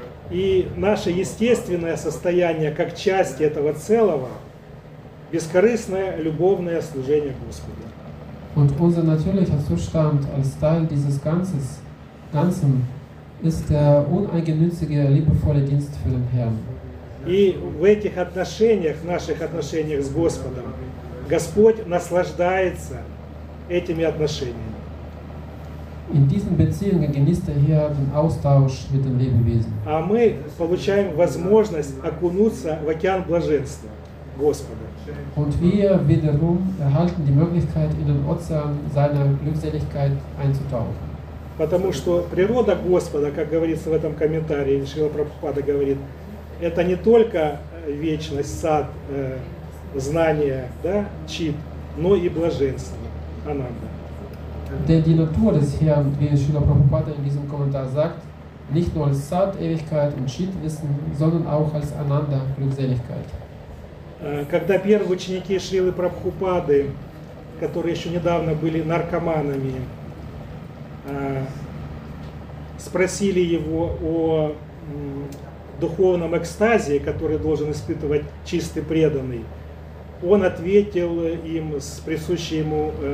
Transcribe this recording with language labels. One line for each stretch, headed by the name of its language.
Russian: И наше естественное состояние как части этого целого бескорыстное любовное служение Господу.
German: Und unser natürlicher Zustand als Teil dieses Ganzen ist der uneigennützige liebevolle Dienst für den Herrn.
Russian: И в этих отношениях, в наших отношениях с Господом, Господь наслаждается этими отношениями.
German: In diesen Beziehungen genießt der Herr den Austausch mit den Lebewesen.
Russian: А мы получаем возможность окунуться в океан блаженства Господа.
German: Und wir wiederum erhalten die Möglichkeit, in den Ozean seiner Glückseligkeit einzutauchen.
Russian: Потому что природа Господа, как говорится в этом комментарии, Шрила Прабхупада говорит, это не только вечность, сад, знание, да, чит, но и блаженство, ананда.
German: Denn die Natur des Herrn, wie Srila Prabhupada in diesem Kommentar sagt, nicht nur als Sat, Ewigkeit und Chit-Wissen, sondern auch als Ananda, Glückseligkeit.
Russian: Когда первые ученики Шрилы Прабхупады, которые еще недавно были наркоманами, спросили его о духовном экстазе, который должен испытывать чистый преданный, он ответил им с присущей ему